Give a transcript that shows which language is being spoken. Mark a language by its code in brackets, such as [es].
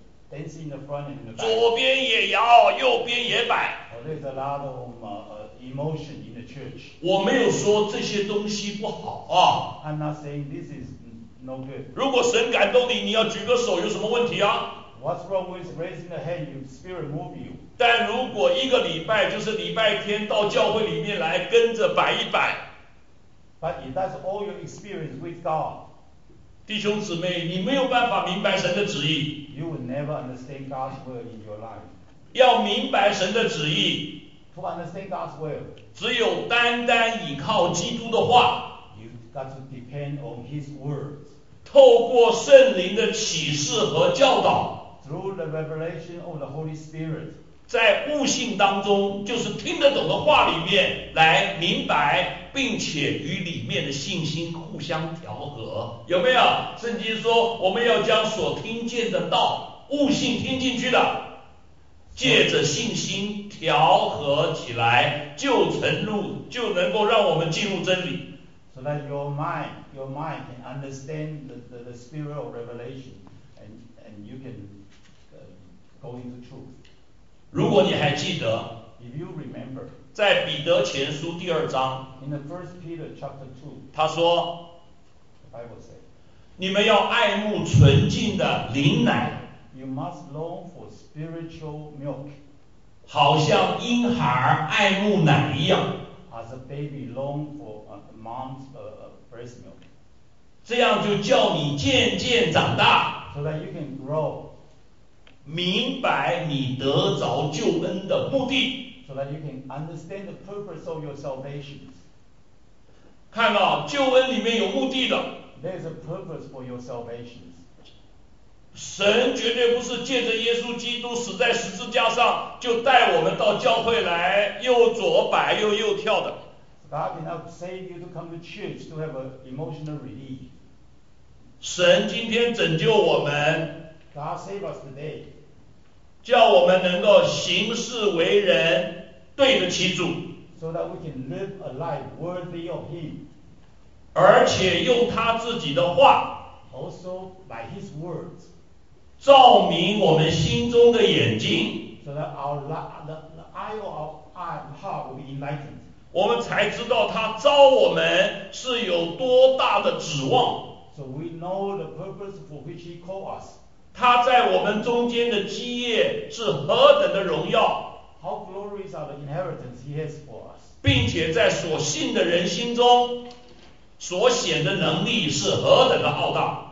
[en] Dancing in the front and in the back. [zh] 左边也摇，右边也摆。 [en] There's a lot of emotion in the church. [zh] 我没有说这些东西不好啊。 [en] I'm not saying this is no good. [zh] 如果神感动你，你要举个手，有什么问题啊？ [en] What's wrong with raising a hand if spirit move you? [zh] 但如果一个礼拜就是礼拜天到教会里面来跟着摆一摆。 [en] But if that's all your experience with God, [zh] 弟兄姊妹，你没有办法明白神的旨意。 [en] You will never understand God's word in your life. [zh] 要明白神的旨意。 [en] To To understand God's will. [zh] 只有单单依靠基督的话。 [en] You've got to depend on His words. [zh] 透过圣灵的启示和教导。 [en] Through the revelation of the Holy Spirit. [zh] 在悟性当中，就是听得懂的话里面来明白，并且与里面的信心互相调和，有没有？圣经说，我们要将所听见的道，悟性听进去的，借着信心调和起来，就成入，就能够让我们进入真理。 [en] So that your mind can understand the spirit of revelation, and you can go into truth. [zh] 如果你还记得， [en] if you remember, [zh] 在彼得前书第二章， [en] in the first Peter chapter two, [zh] 他说， [en] the Bible says, [zh] 你们要爱慕纯净的灵奶。 [en] You must long for spiritual milk. [zh] 好像婴孩爱慕奶一样。 [en] As a baby long for mom's breast milk. [zh] 这样就叫你渐渐长大。 [en] So that you can grow. [zh] 明白你得着救恩的目的。 [en] So that you can understand the purpose of your salvation. [zh] 看到救恩里面有目的的。 [en] There's a purpose for your salvation. [zh] 神绝对不是借着耶稣基督死在十字架上就带我们到教会来又左摆又右跳的。 [en] God did not save you to come to church to have an emotional relief. [zh] 神今天拯救我们。 [en] God save us today. [zh] 叫我们能够行事为人对得起主。 [en] So that we can live a life worthy of Him. [zh] 而且用他自己的话。 [en] Also by His words. [zh] 照明我们心中的眼睛， [en] so that the eye of our heart will be enlightened. [zh] 我们才知道他召我们是有多大的指望。 [en] So we know the purpose for which he called us. [zh] 他在我们中间的基业是何等的荣耀。 [en] How glorious are the inheritance he has for us. [zh] 并且在所信的人心中所显的能力是何等的浩大。